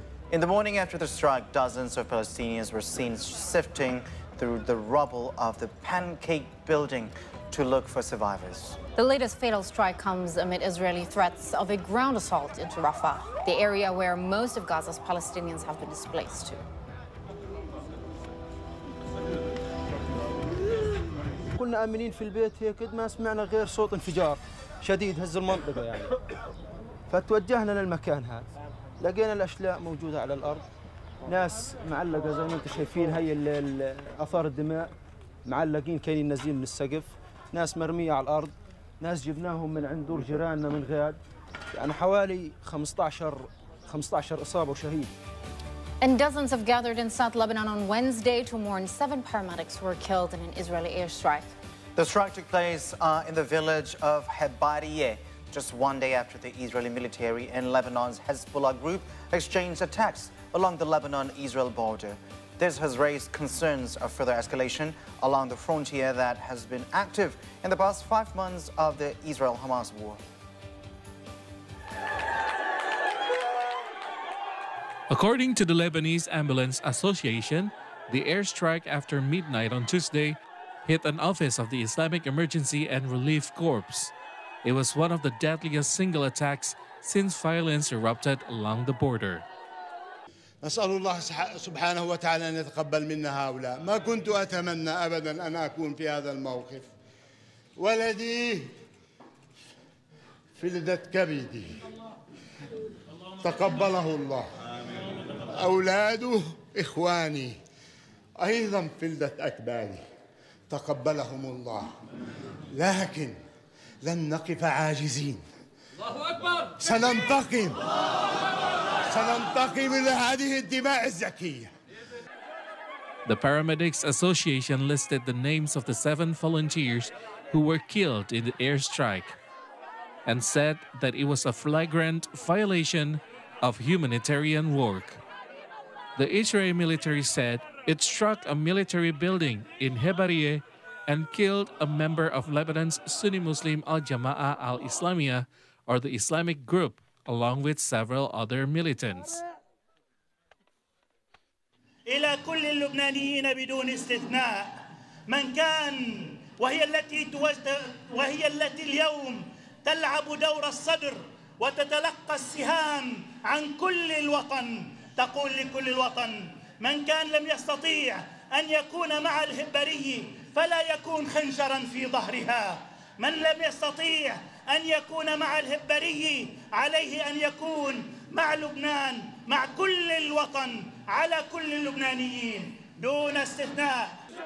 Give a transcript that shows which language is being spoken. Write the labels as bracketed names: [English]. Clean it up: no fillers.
[English] In the morning after the strike, dozens of Palestinians were seen sifting through the rubble of the pancake building to look for survivors. The latest fatal strike comes amid Israeli threats of a ground assault into Rafah, the area where most of Gaza's Palestinians have been displaced to. [Arabic] كنا امنين في البيت هيك ما سمعنا غير صوت انفجار شديد هز المنطقه يعني فتوجهنا للمكان هذا لقينا الاشلاء موجوده على الارض ناس معلقه زي ما انتم شايفين هي اثار الدماء معلقين كاينين نازلين من السقف ناس مرميه على الارض ناس جبناهم من عند دور جيراننا من غاد يعني حوالي 15 اصابه وشهيد. [English] And dozens have gathered in South Lebanon on Wednesday to mourn 7 paramedics who were killed in an Israeli airstrike. The strike took place in the village of Hebariyeh just one day after the Israeli military and Lebanon's Hezbollah group exchanged attacks along the Lebanon-Israel border. This has raised concerns of further escalation along the frontier that has been active in the past 5 months of the Israel-Hamas war. According to the Lebanese Ambulance Association, the airstrike after midnight on Tuesday hit an office of the Islamic Emergency and Relief Corps. It was one of the deadliest single attacks since violence erupted along the border. [Arabic] نسأل الله سبحانه وتعالى أن يتقبل منا هؤلاء ما كنت أتمنى أبدا أن أكون في هذا الموقف ولدي فلدت كبدي تقبله الله أولاده إخواني أيضا فلدت أكبادي تقبلهم الله لكن لن نقف عاجزين الله أكبر سننتقم سننتقم لهذه الدماء الزكية. [English] The Paramedics Association listed the names of the 7 volunteers who were killed in the airstrike and said that it was a flagrant violation of humanitarian work. The Israeli military said it struck a military building in Hebariyeh and killed a member of Lebanon's Sunni Muslim al-Jama'ah al-Islamiyah, or the Islamic group, along with several other militants. [Arabic] إلى كل اللبنانيين بدون استثناء من كان وهي التي اليوم تلعب دور الصدر وتتلقى السهام عن كل الوطن تقول لكل الوطن من كان لم يستطيع أن يكون مع الهبري فلا يكون خنجرا في ظهرها من لم يستطيع أن يكون مع الهبري عليه أن يكون مع لبنان مع كل الوطن على كل اللبنانيين دون استثناء.